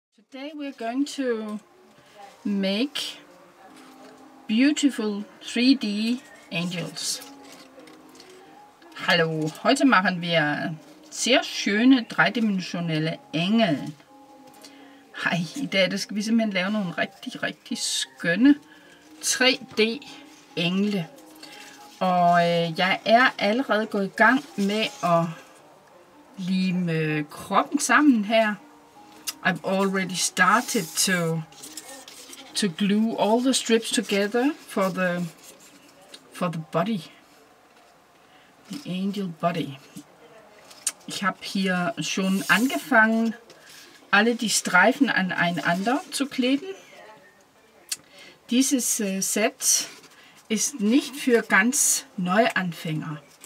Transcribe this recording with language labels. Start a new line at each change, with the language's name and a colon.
English: Today we're going to make beautiful 3D angels.
German: Hallo, heute machen wir sehr schöne dreidimensionelle Engel.
Danish: Hej, i dag der skal vi simpelthen lave nogle rigtig, rigtig skønne 3D-engle. Og jeg er allerede gået i gang med at lime kroppen sammen her.
English: I've already started to glue all the strips together for the body. The angel body.
German: Ich habe hier schon angefangen, alle die Streifen aneinander zu kleben. Dieses Set ist nicht für ganz Neuanfänger.